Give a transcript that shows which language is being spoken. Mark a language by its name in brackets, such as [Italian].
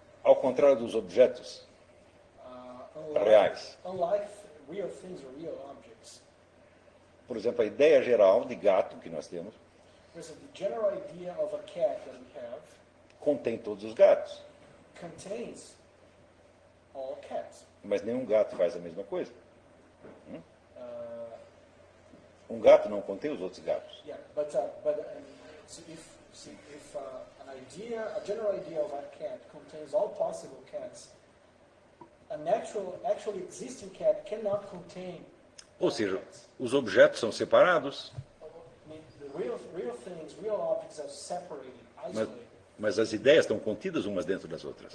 [Portuguese] Ao contrário dos objetos reais. [English] Unlike real things or real objects. [Portuguese] Por exemplo, a ideia geral de gato que nós temos. [English] The general idea of a cat that we have [Portuguese] contém todos os gatos. [English] Contains all cats. [Portuguese] Mas nenhum gato faz a mesma coisa. Um gato não contém os outros gatos. [English] Yeah, but if an idea, a general idea of a cat contains all possible cats, an actually existing cat cannot contain. [Portuguese] Ou seja, [English] cats. [Portuguese] Os objetos são separados. [English] Real things, real objects are separated, isolated. [Portuguese] Mas as ideias estão contidas umas dentro das outras.